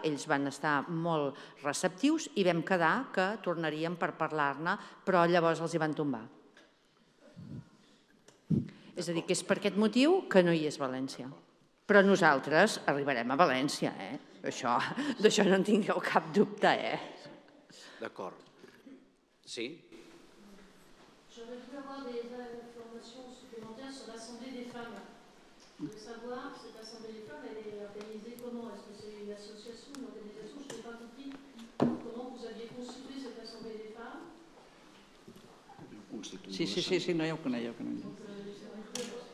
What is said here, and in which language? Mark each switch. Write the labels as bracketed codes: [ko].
[ca] Ells van estar molt receptius i vam quedar que tornaríem per parlar-ne, però llavors els hi van tombar. És a dir, que és per aquest motiu que no hi és València. Però nosaltres arribarem a València, eh? Això, d'això no en tingueu cap dubte, eh? D'acord. Sí? [fr] J'aurais pu avoir des informations supplémentaires sur l'Assemblée des Femmes. Je voulais savoir si l'Assemblée des Femmes elle est organisée comment? Est-ce que c'est une association, une organisation? Je n'ai pas compris comment vous aviez constitué cette Assemblée des Femmes. [ca] Sí, no hi ha conèixer, que no hi ha.